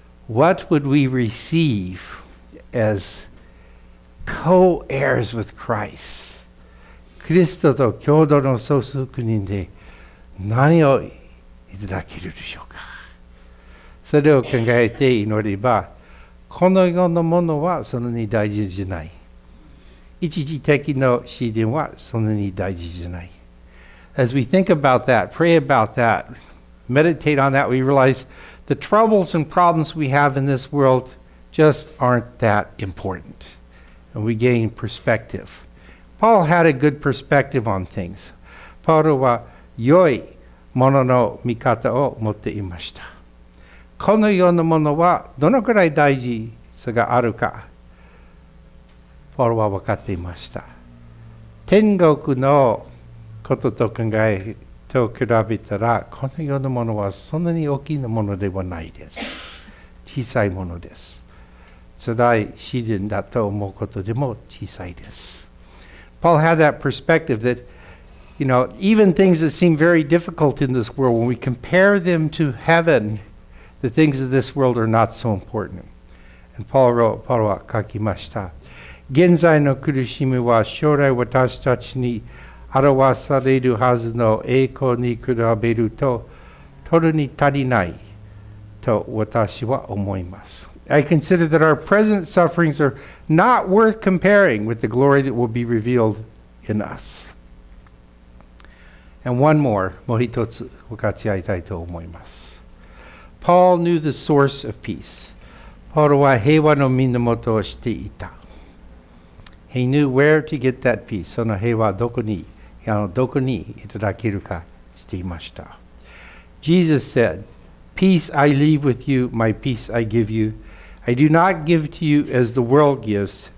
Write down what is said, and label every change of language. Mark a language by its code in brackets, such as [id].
[en] What would we receive as co-heirs with Christ? [ja] キリストと共同の相続人で何をいただけるでしょうか? それを考えて祈れば、この世のものはそんなに大事じゃない。一時的の試練はそんなに大事じゃない。 [en] As we think about that, pray about that, meditate on that, we realize the troubles and problems we have in this world just aren't that important. And we gain perspective. Paul had a good perspective on things. [ja] Paul は良いものの見方を持っていました。この世のものはどのくらい大事さがあるか、ポールは分かっていました。天国のことと考えと比べたら、この世のものはそんなに大きなものではないです。小さいものです。辛い試練だと思うことでも小さいです。 [en] Paul had that perspective that, you know, even things that seem very difficult in this world, when we compare them to heaven,The things of this world are not so important. And Paul wrote, [ja] Paul は書きました。現在の苦しみは将来私たちに表されるはずの栄光に比べると、とるに足りないと私は思います。 [en] I consider that our present sufferings are not worth comparing with the glory that will be revealed in us. And one more, [ja] もう一つ分かち合いたいと思います。 [en] Paul knew the source of peace. [ja] Paul は平和の源を知っていた。 [en] He knew where to get that peace. [ja] その平和はどこにいただけるか知っていました。 [en] Jesus said, Peace I leave with you, my peace I give you. I do not give to you as the world gives.